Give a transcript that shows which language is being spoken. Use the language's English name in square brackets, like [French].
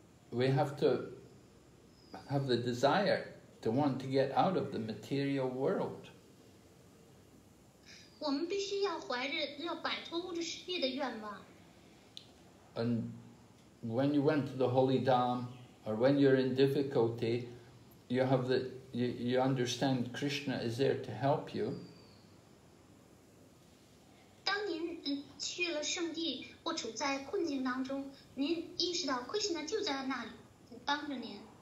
[English] We have to have the desire to want to get out of the material world. [Chinese] 我们必须要怀着要摆脱物质世界的愿望。 [English] And when you went to the Holy Dham, or when you're in difficulty, you understand Krishna is there to help you. [Chinese] 当您去了圣地，或处在困境当中，您意识到Krishna就在那里帮着您。